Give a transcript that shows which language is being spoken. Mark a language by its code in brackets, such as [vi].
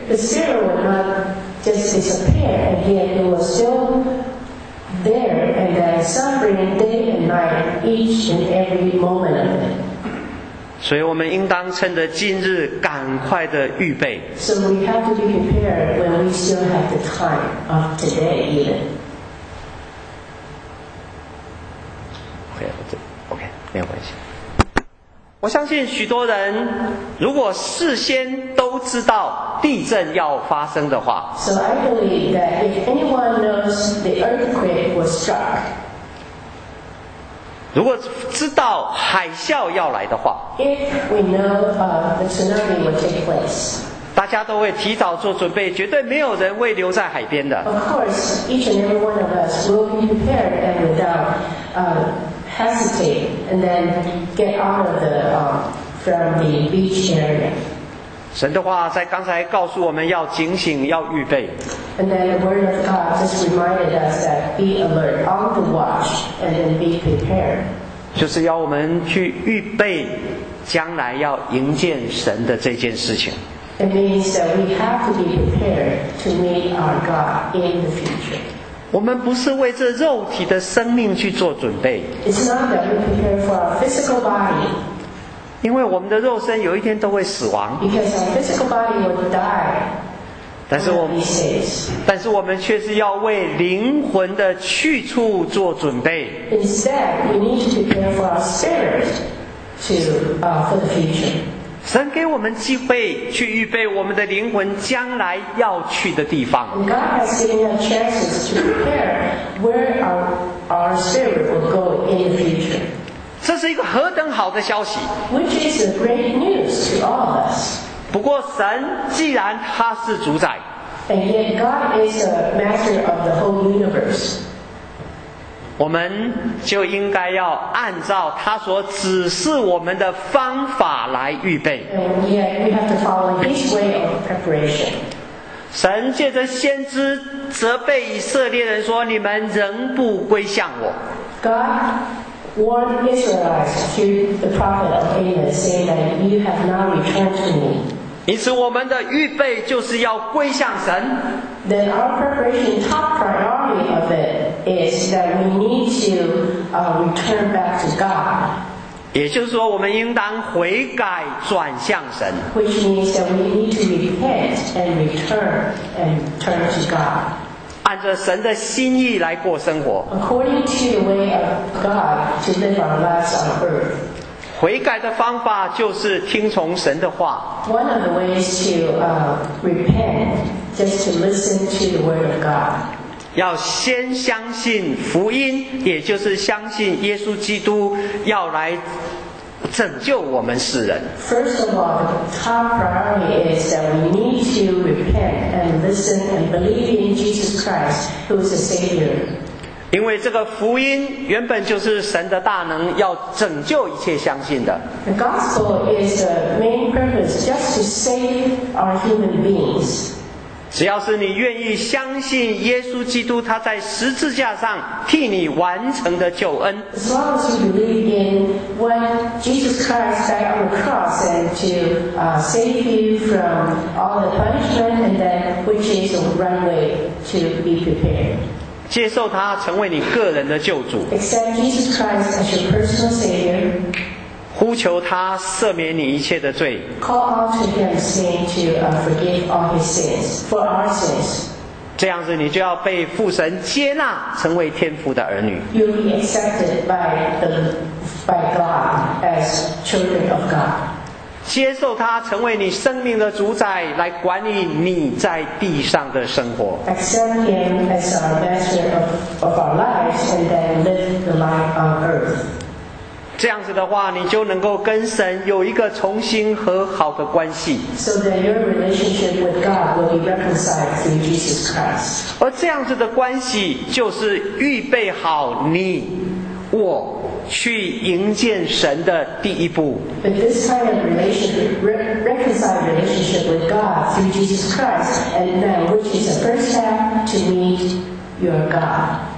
[en] The spirit will not just disappear, and yet it will still be there, and then suffering day and night, each and every moment of it. [zh] 所以我们应当趁着今日赶快的预备。 [en] So we have to be prepared when we still have the time of today even. [zh] OK, 没有关系。我相信许多人如果事先都知道地震要发生的话， [en] So I believe that if anyone knows the earthquake was struck, [zh] 如果知道海啸要来的话， [en] If we know, the tsunami will take place, [zh] 大家都会提早做准备，绝对没有人会留在海边的。 [en] Of course, each and every one of us will be prepared and without, hesitate, and then get out of the, from the beach area. [zh] 神的话在刚才告诉我们要警醒，要预备。 [en] And then the word of God just reminded us that be alert, on the watch, and then be prepared. [zh] 就是要我们去预备将来要迎接神的这件事情。 [en] It means that we have to be prepared to meet our God in the future. [zh] 我们不是为这肉体的生命去做准备。 [en] It's not that we prepare for our physical body. [zh] 因为我们的肉身有一天都会死亡。 [en] Because our physical body will die. [zh] 但是我们却是要为灵魂的去处做准备。 [en] Instead, we need to prepare for our spirit for the future. [zh] 神给我们机会去预备我们的灵魂将来要去的地方。 [en] God has given us chances to prepare where our spirit will go in the future. [zh] 这是一个何等好的消息。 [en] Which is a great news to all of us. [zh] 不过神既然他是主宰。 [en] And yet God is a master of the whole universe. [zh] 我们就应该要按照他所指示我们的方法来预备。 [en] And yet we have to follow his way of preparation. [zh] 神借着先知责备以色列人说：“你们仍不归向我。” [en] God warned Israelites through the prophet Amos, saying that you have not returned to me. [zh] 因此，我们的预备就是要归向神。 [en] Then our preparation, top priority of it, is that we need to return back to God. [zh] 也就是说我们应当悔改转向神。 [en] Which means that we need to repent and return and turn to God. [zh] 按着神的心意来过生活。 [en] According to the way of God to live our lives on earth. [zh] 悔改的方法就是听从神的话。 [en] One of the ways to repent, just to listen to the word of God. [zh] 要先相信福音，也就是相信耶稣基督要来拯救我们世人。 [en] First of all, the top priority is that we need to repent and listen and believe in Jesus Christ, who is the Savior. [zh] 因为这个福音原本就是神的大能，要拯救一切相信的。 [en] The gospel is the main purpose, just to save our human beings. [zh] 只要是你愿意相信耶稣基督他在十字架上替你完成的救恩。 [en] As long as you believe in what Jesus Christ died on the cross and to save you from all the punishment and then which is the runway to be prepared. [zh] 接受他成为你个人的救主。 [en] Accept Jesus Christ as your personal savior. [zh] 呼求他赦免你一切的罪。 [en] Call out to him, saying to forgive all his sins for our sins. [zh] 这样子，你就要被父神接纳，成为天父的儿女。 [en] You'll be accepted by God as children of God. [zh] 接受他成为你生命的主宰，来管理你在地上的生活。 [en] Accept him as our master of our lives, and then live the life on earth. [zh] 这样子的话，你就能够跟神有一个重新和好的关系。 [en] So that your relationship with God will be reconciled through Jesus Christ. [zh] 而这样子的关系，就是预备好你我去迎接神的第一步。 [en] But this kind of reconciled relationship with God through Jesus Christ, and then which is the first step to meet your God.